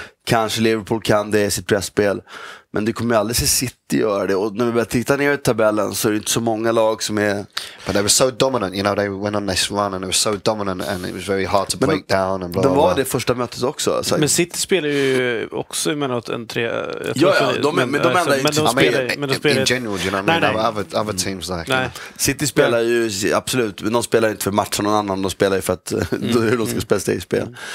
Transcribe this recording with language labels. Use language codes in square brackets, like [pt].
[sv] Kanske Liverpool kan det i sitt pressspel, men det kommer ju aldrig se City göra det. Och när vi börjar titta ner i tabellen så är det inte så många lag som är... [en] But they were so dominant, you know, they went on this run and they were so dominant and it was very hard to break down. And [sv] det var det första mötet också. Så. Men City spelar ju också med något en tre... Men de spelar inte [en] in general, you know, other teams like... [sv] City spelar ju, absolut, men de spelar inte för matchen någon annan, de spelar ju för att de ska spela i spel.